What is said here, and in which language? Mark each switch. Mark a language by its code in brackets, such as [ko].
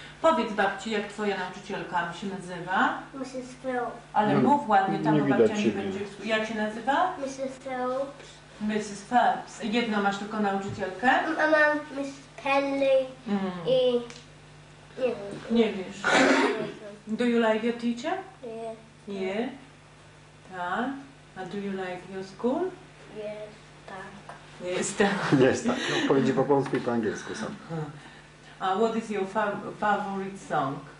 [pl] Powiedz babci, jak twoja nauczycielka się nazywa? [en] Mrs. Phelps. [pl] Ale mów ładnie, tam babcia nie będzie. Jak się nazywa? [en] Mrs. Phelps. Mrs. Phelps. [pl] Jedną masz tylko nauczycielkę? Mam Miss Penley i nie wiem. Nie wiesz. [en] Do you like your teacher? [pl] Nie. Nie? Tak. [en] A do you like your school? Yes, [pl] tak. Nie jestem. Nie jestem. No, powiedz po polsku i po angielsku sam. [en] A what is your favorite song?